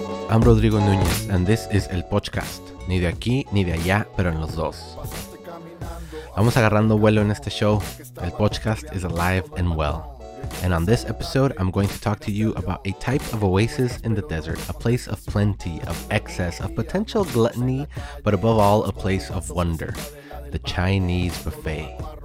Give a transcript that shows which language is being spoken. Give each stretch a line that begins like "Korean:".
English: I'm Rodrigo Núñez, and this is El Podcast.
Spanish: Ni de aquí, ni de allá, pero en los dos. Vamos agarrando vuelo en este show.
English: El Podcast is alive and well. And on this episode, I'm going to talk to you about a type of oasis in the desert, a place of plenty, of excess, of potential gluttony, but above all, a place of wonder, the Chinese buffet.